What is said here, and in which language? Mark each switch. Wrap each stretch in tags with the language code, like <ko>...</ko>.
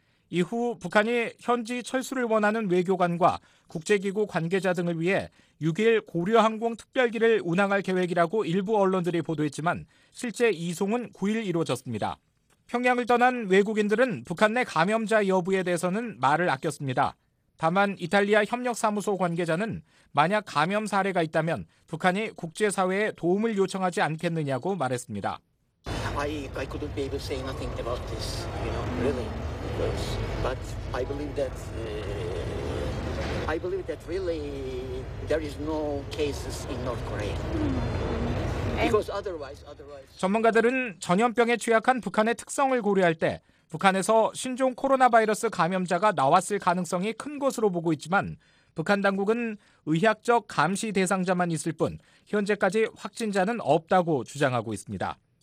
<ko>이후 북한이 현지 철수를 원하는 외교관과 국제기구 관계자 등을 위해 6일 고려항공 특별기를 운항할 계획이라고 일부 언론들이 보도했지만 실제 이송은 9일 이루어졌습니다. 평양을 떠난 외국인들은 북한 내 감염자 여부에 대해서는 말을 아꼈습니다. 다만 이탈리아 협력사무소 관계자는 만약 감염 사례가 있다면 북한이 국제사회에 도움을 요청하지 않겠느냐고 말했습니다.</ko> <en>I couldn't be able to say nothing about this, you know, really. But I believe that really there is no cases in North Korea.</en> <ko>전문가들은 전염병에 취약한 북한의 특성을 고려할 때 북한에서 신종 코로나 바이러스 감염자가 나왔을 가능성이 큰 것으로 보고 있지만 북한 당국은 의학적 감시 대상자만 있을 뿐 현재까지 확진자는 없다고 주장하고 있습니다.</ko>